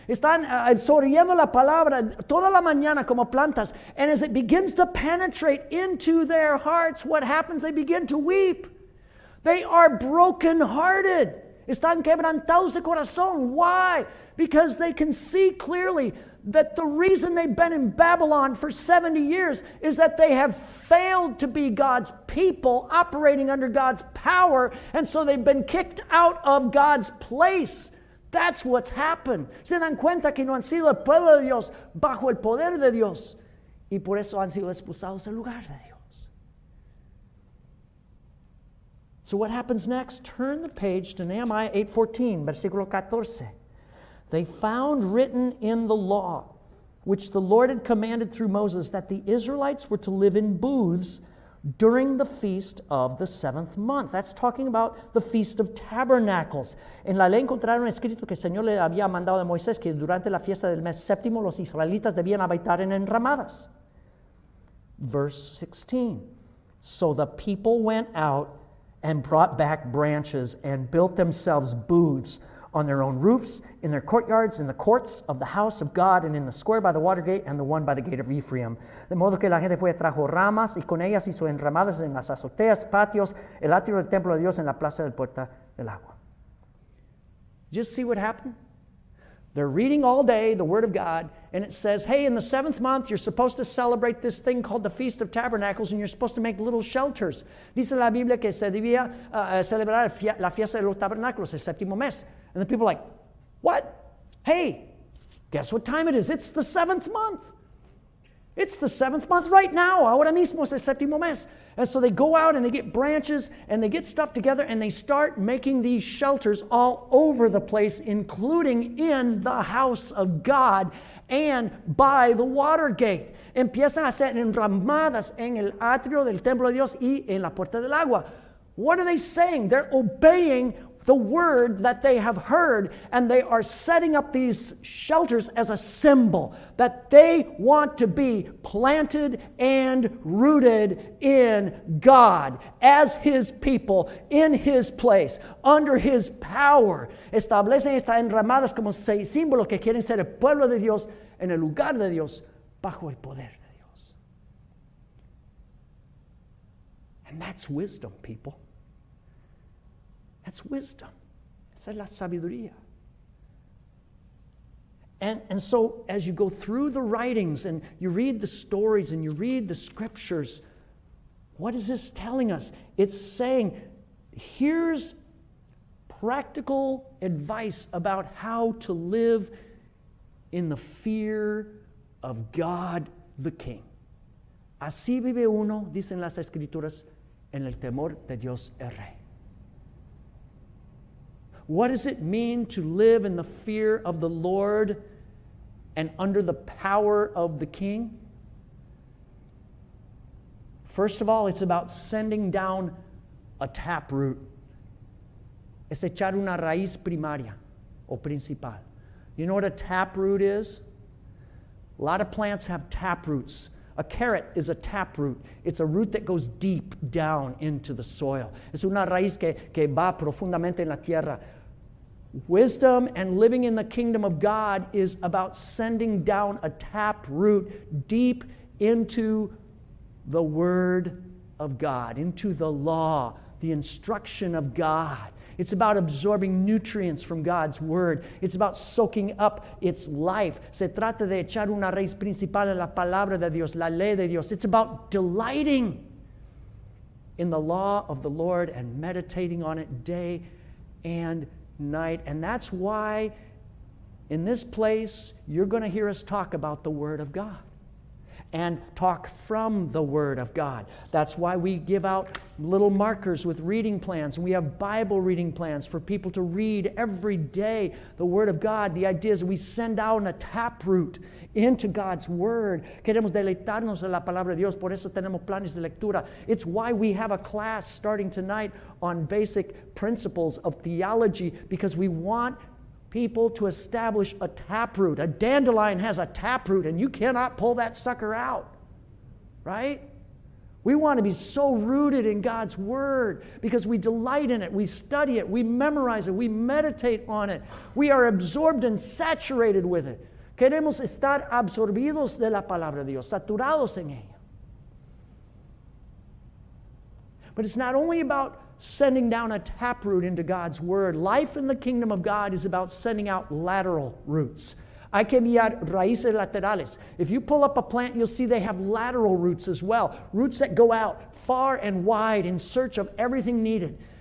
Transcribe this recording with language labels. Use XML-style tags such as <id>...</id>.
<es>Están absorbiendo la palabra toda la mañana como plantas.</es> <en>And as it begins to penetrate into their hearts, what happens? They begin to weep. They are brokenhearted.</en> <es>Están quebrantados de corazón.</es> <en>Why? Because they can see clearly that the reason they've been in Babylon for 70 years is that they have failed to be God's people operating under God's power, and so they've been kicked out of God's place. That's what's happened.</en> <es>Se dan cuenta que no han sido el pueblo de Dios bajo el poder de Dios, y por eso han sido expulsados del lugar de Dios.</es> <en>So what happens next? Turn the page to Nehemiah 8:14,</en> <es>versículo 14.</es> <en>They found written in the law, which the Lord had commanded through Moses, that the Israelites were to live in booths during the feast of the seventh month. That's talking about the Feast of Tabernacles.</en> <es>En la ley encontraron escrito que el Señor le había mandado a Moisés que durante la fiesta del mes séptimo los israelitas debían habitar en enramadas.</es> <en>Verse 16. So the people went out and brought back branches and built themselves booths on their own roofs, in their courtyards, in the courts of the house of God, and in the square by the water gate, and the one by the gate of Ephraim.</en> <es>De modo que la gente fue trajo ramas, y con ellas hizo enramadas en las azoteas, patios, el atrio del templo de Dios en la plaza del puerta del agua.</es> <en>Just see what happened? They're reading all day the word of God, and it says, hey, in the seventh month, you're supposed to celebrate this thing called the Feast of Tabernacles, and you're supposed to make little shelters.</en> <es>Dice la Biblia que se debía celebrar la fiesta de los tabernáculos, el séptimo mes.</es> <en>And the people are like, what? Hey, guess what time it is? It's the seventh month. It's the seventh month right now.</en> <es>Ahora mismo es el séptimo mes.</es> <en>And so they go out and they get branches and they get stuff together and they start making these shelters all over the place, including in the house of God and by the water gate.</en> <es>Empiezan a hacer enramadas en el atrio del templo de Dios y en la puerta del agua.</es> <en>What are they saying? They're obeying the word that they have heard, and they are setting up these shelters as a symbol that they want to be planted and rooted in God as his people, in his place, under his power.</en> <es>Establecen estas enramadas como símbolo que quieren ser el pueblo de Dios en el lugar de Dios bajo el poder de Dios.</es> <en>And that's wisdom, people. That's wisdom.</en> <es>Esa es la sabiduría.</es> <en>And so as you go through the writings and you read the stories and you read the scriptures, what is this telling us? It's saying, here's practical advice about how to live in the fear of God the King.</en> <es>Así vive uno, dicen las Escrituras, en el temor de Dios el Rey.</es> <en>What does it mean to live in the fear of the Lord and under the power of the King? First of all, it's about sending down a taproot.</en> <es>Es echar una raíz primaria o principal.</es> <en>You know what a taproot is? A lot of plants have taproots. A carrot is a taproot. It's a root that goes deep down into the soil.</en> <es>Es una raíz que va profundamente en la tierra.</es> <en>Wisdom and living in the kingdom of God is about sending down a taproot deep into the word of God, into the law, the instruction of God. It's about absorbing nutrients from God's word. It's about soaking up its life.</en> <es>Se trata de echar una raíz principal en la palabra de Dios, la ley de Dios.</es> <en>It's about delighting in the law of the Lord and meditating on it day and night. And that's why in this place, you're going to hear us talk about the word of God and talk from the Word of God. That's why we give out little markers with reading plans. We have Bible reading plans for people to read every day the Word of God. The idea is we send out a taproot into God's Word.</en> <es>Queremos deleitarnos en la palabra de Dios. Por eso tenemos planes de lectura.</es> <en>It's why we have a class starting tonight on basic principles of theology, because we want people to establish a taproot. A dandelion has a taproot and you cannot pull that sucker out, right? We want to be so rooted in God's word because we delight in it, we study it, we memorize it, we meditate on it. We are absorbed and saturated with it.</en> <es>Queremos estar absorbidos de la palabra de Dios, saturados en ella.</es> <en>But it's not only about sending down a taproot into God's word. Life in the kingdom of God is about sending out lateral roots.</en> <es>Hay que enviar raíces laterales.</es> <en>If you pull up a plant, you'll see they have lateral roots as well. Roots that go out far and wide in search of everything needed.</en>